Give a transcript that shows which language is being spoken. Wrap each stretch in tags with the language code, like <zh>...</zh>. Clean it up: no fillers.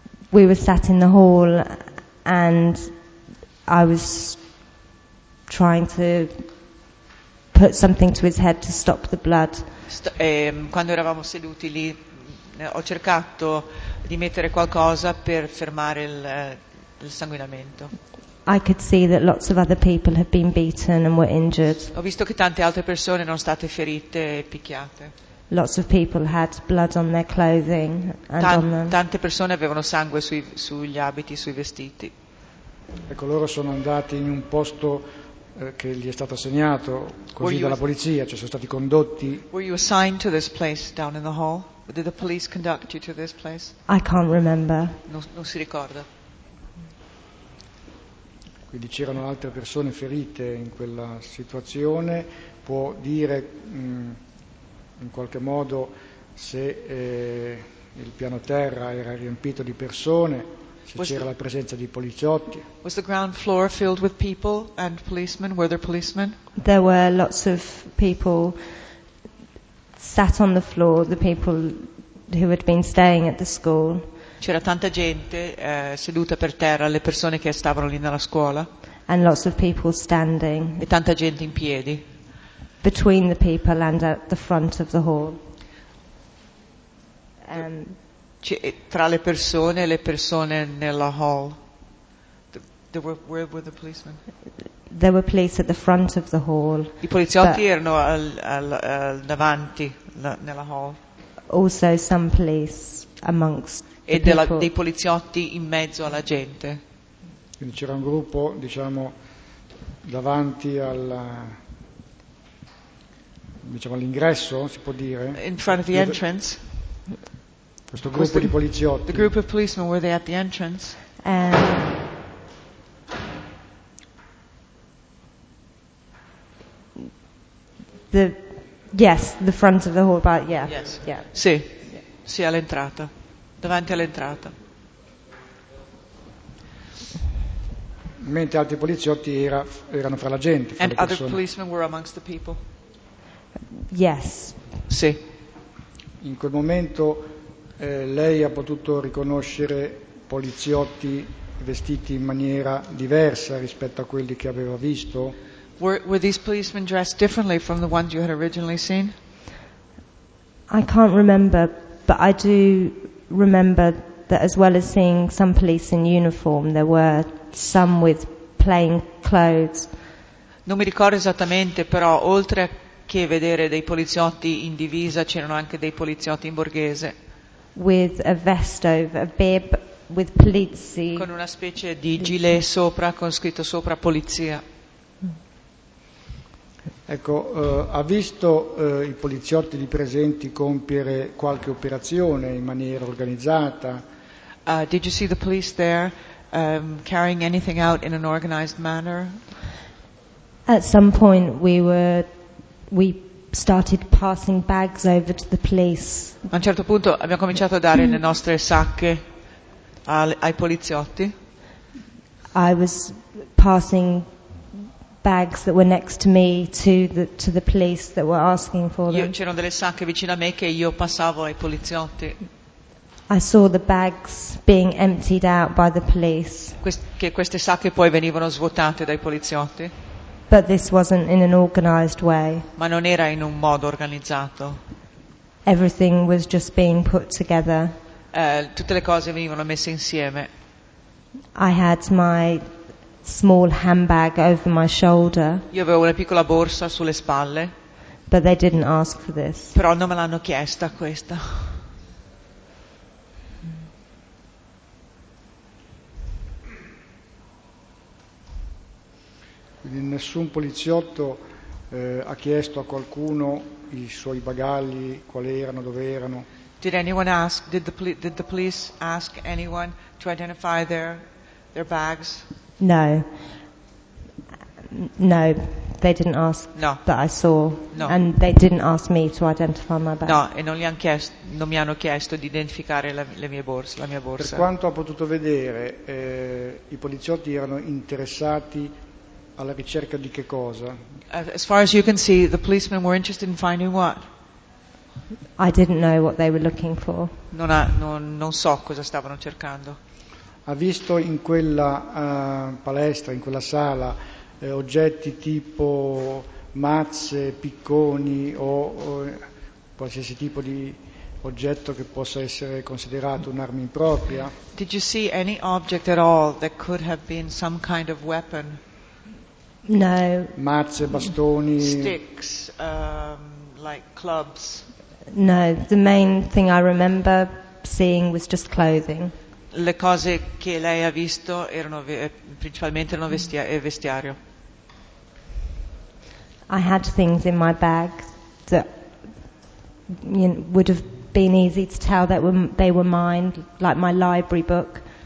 <en>We were sat in the hall and I was trying to put something to his head to stop the blood.</en> <it>Quando eravamo seduti lì, ho cercato di mettere qualcosa per fermare il sanguinamento.</it> <en>I could see that lots of other people had been beaten and were injured.</en> <it>Ho visto che tante altre persone erano state ferite e picchiate.</it> <en>Lots of people had blood on their clothing and on them.</en> <it>Tante persone avevano sangue sugli abiti, sui vestiti. Ecco, loro sono andati in un posto che gli è stato assegnato così dalla polizia, cioè sono stati condotti.</it> <en>Were you assigned to this place down in the hall? Did the police conduct you to this place? I can't remember.</en> <it>Non si ricorda. Quindi c'erano altre persone ferite in quella situazione. Può dire in qualche modo se il piano terra era riempito di persone, se c'era la presenza di poliziotti.</it> <en>Was the ground floor filled with people and policemen? Were there policemen? There were lots of people sat on the floor, the people who had been staying at the school.</en> <it>C'era tanta gente seduta per terra, le persone che stavano lì nella scuola.</it> <en>And lots of people standing.</en> <it>E tanta gente in piedi.</it> <en>Between the people and at the front of the hall.</en> <it>Tra le persone e le persone nella hall.</it> <en>Where were the policemen? There were police at the front of the hall.</en> <it>I poliziotti erano al davanti nella hall.</it> <en>Also some police amongst the people.</en> <it>Dei poliziotti in mezzo alla gente. Quindi c'era un gruppo, diciamo, davanti alla, diciamo, all'ingresso, si può dire?</it> <en>In front of the entrance.</en> <it>Questo gruppo di poliziotti.</it> <en>The group of policemen were they at the entrance? The front of the hall, but yeah. Yes. Yeah.</en> <it>Sì. Sì, all'entrata. Davanti all'entrata. Mentre altri poliziotti erano fra la gente, fra</it> <en>and</en> <it>le persone.</it> <en>And other policemen were amongst the people. Yes.</en> <it>Sì. In quel momento lei ha potuto riconoscere poliziotti vestiti in maniera diversa rispetto a quelli che aveva visto?</it> <en>Were these policemen dressed differently from the ones you had originally seen? I can't remember, but I do remember that as well as seeing some police in uniform, there were some with plain clothes.</en> <it>Non mi ricordo esattamente, però oltre che vedere dei poliziotti in divisa, c'erano anche dei poliziotti in borghese.</it> <en>With a vest over, a bib with polizzi.</en> <it>Con una specie di gilet sopra, con scritto sopra polizia. Ecco, ha visto i poliziotti lì presenti compiere qualche operazione in maniera organizzata?</it> <en>Did you see the police there carrying anything out in an organized manner? At some point we started passing bags over to the police.</en> <it>A un certo punto abbiamo cominciato a dare le nostre sacche ai poliziotti.</it> <en>I was passing bags that were next to me to the police that were asking for them.</en> <it>Io c'erano delle sacche vicino a me che io passavo ai poliziotti.</it> <en>I saw the bags being emptied out by the police.</en> <it>Che queste sacche poi venivano svuotate dai poliziotti.</it> <en>But this wasn't in an organized way.</en> <it>Ma non era in un modo organizzato.</it> <en>Everything was just being put together.</en> <it>Tutte le cose venivano messe insieme.</it> <en>I had my small handbag over my shoulder.</en> <it>Io avevo una piccola borsa sulle spalle.</it> <en>But they didn't ask for this.</en> <it>Però non me l'hanno chiesta questa. Quindi nessun poliziotto ha chiesto a qualcuno i suoi bagagli, quali erano, dove erano.</it> <en>Did anyone ask? Did the police ask anyone to identify their bags? No. No. they didn't ask no. that I saw. No. And they didn't ask me to identify my bag.</en> <it>No, e non, non mi hanno chiesto di identificare la mia borsa. Per quanto ho potuto vedere, i poliziotti erano interessati alla ricerca di che cosa?</it> <en>As far as you can see, the policemen were interested in finding what? I didn't know what they were looking for.</en> <it>Non so cosa stavano cercando. Ha visto in quella palestra, in quella sala, oggetti tipo mazze, picconi o qualsiasi tipo di oggetto che possa essere considerato un'arma impropria?</it> <en>Did you see any object at all that could have been some kind of weapon? No.</en> <it>Mazze, bastoni.</it> <en>Sticks, like clubs. No, the main thing I remember seeing was just clothing.</en> <it>Le cose che lei ha visto erano principalmente erano vestiario.</it> <en>I had things in my bag that you know, would have been easy to tell that they were mine, like my library book.</en>